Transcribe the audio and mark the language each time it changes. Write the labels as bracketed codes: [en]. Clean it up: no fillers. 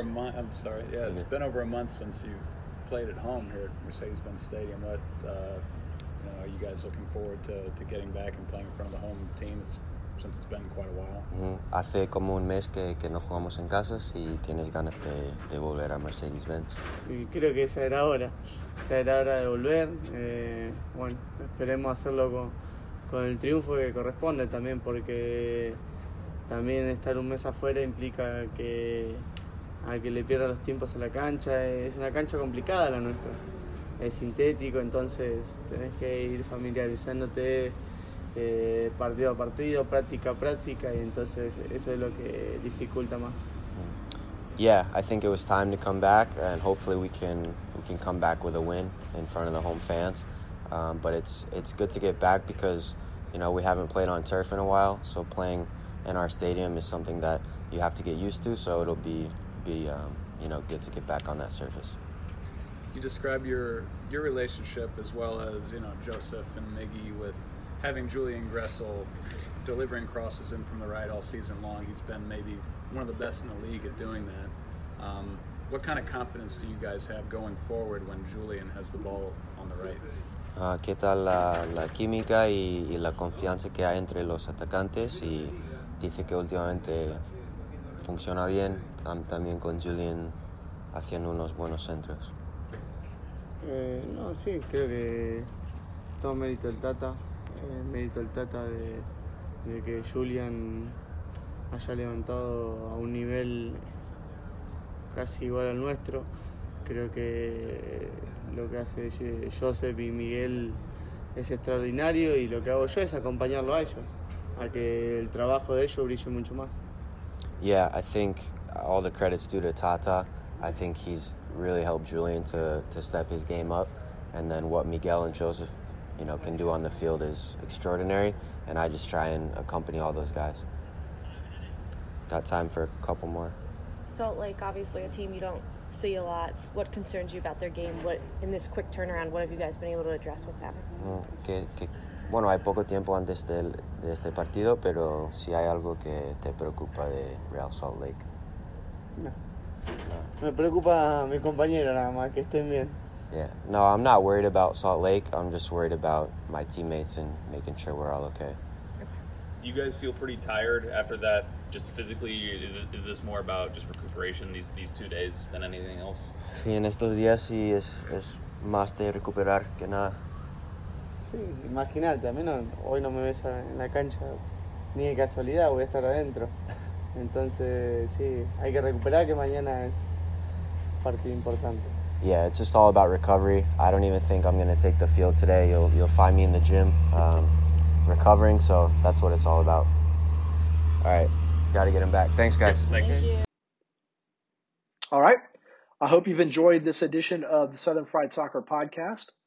[en] It's been over a month since you've played at home here at Mercedes-Benz Stadium. What are you guys looking forward to getting back and playing in front of the home team? Since it's been quite a while. Mm-hmm. [es] Hace como un mes que no jugamos en casa. Si tienes ganas de volver a Mercedes-Benz. Y creo que ya era hora. Ya era hora de volver. Bueno, esperemos hacerlo con el triunfo que corresponde también, porque también estar un mes afuera implica que le pierda los tiempos a la cancha. Es una cancha complicada la nuestra. Es sintético, entonces tenés que ir familiarizándote partido a partido, práctica a práctica, y entonces eso es lo que dificulta más. [en] Yeah, I think it was time to come back, and hopefully we can come back with a win in front of the home fans. But it's good to get back because, you know, we haven't played on turf in a while, so playing in our stadium is something that you have to get used to, so it'll be good to get back on that surface. You describe your relationship as well as, you know, Joseph and Miggy with having Julian Gressel delivering crosses in from the right all season long. He's been maybe one of the best in the league at doing that. What kind of confidence do you guys have going forward when Julian has the ball on the right? [es] ¿Qué tal la química y la confianza que hay entre los atacantes? Y dice que últimamente funciona bien, también con Julian haciendo unos buenos centros. No, sí, creo que todo mérito el Tata. Mérito el Tata de que Julian haya levantado a un nivel casi igual al nuestro. Creo que lo que hace Joseph y Miguel es extraordinario y lo que hago yo es acompañarlo a ellos, a que el trabajo de ellos brille mucho más. [en] Yeah, I think all the credit's due to Tata. I think he's really helped Julian to step his game up. And then what Miguel and Joseph, you know, can do on the field is extraordinary. And I just try and accompany all those guys. Got time for a couple more. Salt Lake, obviously a team you don't see a lot. What concerns you about their game? What, in this quick turnaround, what have you guys been able to address with them? [es] Bueno, hay poco tiempo antes de este partido, pero si hay algo que te preocupa de Real Salt Lake. No. Me preocupa mi compañero nada más, que estén bien. [en] Yeah. No, I'm not worried about Salt Lake. I'm just worried about my teammates and making sure we're all okay. Do you guys feel pretty tired after that? Just physically, is this more about just recuperation these 2 days than anything else? [es] Sí, en estos días sí es más de recuperar que nada. Sí, imagínate, a mí no, hoy no me ves en la cancha ni de casualidad, voy a estar adentro. Entonces, sí, hay que recuperar que mañana es partido importante. [en] Yeah, it's just all about recovery. I don't even think I'm going to take the field today. You'll find me in the gym recovering, so that's what it's all about. All right, got to get him back. Thanks, guys. Thank you. All right, I hope you've enjoyed this edition of the Southern Fried Soccer Podcast.